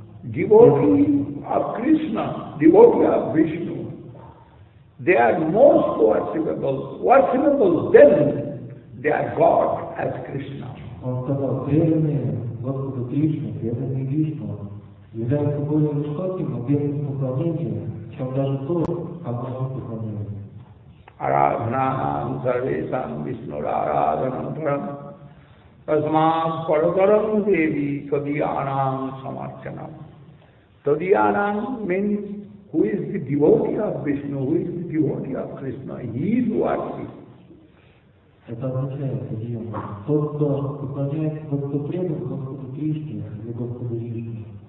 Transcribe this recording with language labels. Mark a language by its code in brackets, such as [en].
[en] devotee of Krishna, devotee of Vishnu, they are most worshipable. Worshipable then, they are God as Krishna. [ru] Он сказал, преданные Господу Кришне, преданные Кришне, являются более высоким объектом поклонения, чем даже то, как он поклоняет. [sa] Арадханам сарвесам Вишнурарадханам парам тасмат парвакарам деви тадиянам самарчанам. [en] Тадиянам means who is the devotee of Vishnu, who is the devotee of Krishna, he is worthy. [ru] Это означает, тот, кто поклоняет, тот, кто предан, Господу Кришне или Господу Вишну.